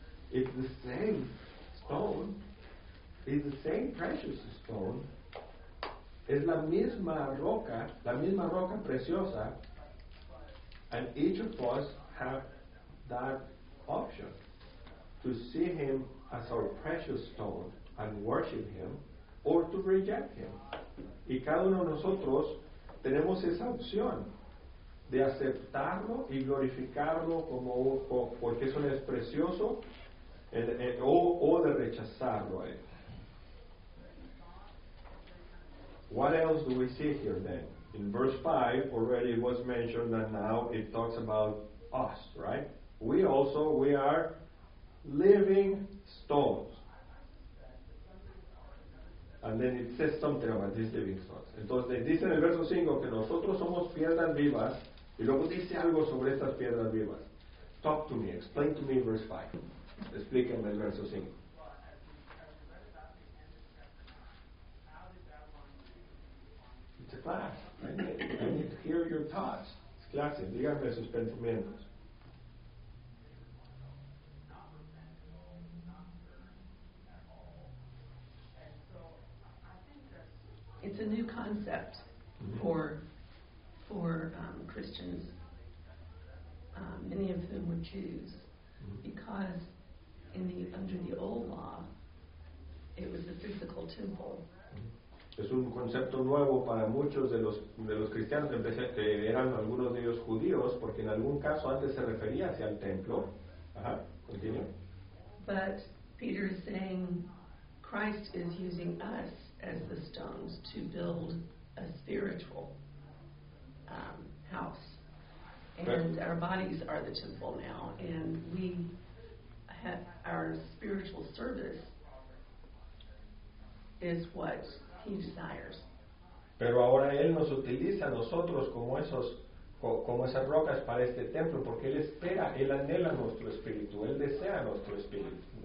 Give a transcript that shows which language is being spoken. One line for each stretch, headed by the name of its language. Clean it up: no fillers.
English: It's the same stone, it's the same precious stone,
Spanish: es la misma roca preciosa,
English: and each of us have that option to see him as our precious stone and worship him, or to reject him.
Spanish: Y cada uno de nosotros tenemos esa opción de aceptarlo y glorificarlo como porque eso es precioso, o de rechazarlo.
English: What else do we see here then? In verse 5, already it was mentioned that now it talks about us, right? We are living stones. And then it says something about these living stones.
Spanish: Entonces dice en el verso 5 que nosotros somos piedras vivas, y luego dice algo sobre estas piedras vivas.
English: Talk to me, explain to me verse 5.
Spanish: Explíquenme el verso 5.
English: I need to hear your thoughts. It's clase.
Spanish: Díganme sus pensamientos.
English: It's a new concept for Christians, many of whom were Jews, because under the old law, it was the physical temple.
Spanish: Es un concepto nuevo para muchos de los cristianos que eran algunos de ellos judíos, porque en algún caso antes se refería hacia el templo. Ajá, continúa.
English: But Peter is saying Christ is using us as the stones to build a spiritual house. And our bodies are the temple now, and we have our spiritual service is what desires.
Spanish: Pero ahora él nos utiliza a nosotros como esas rocas para este templo, porque él espera, él anhela nuestro espíritu, él desea nuestro espíritu.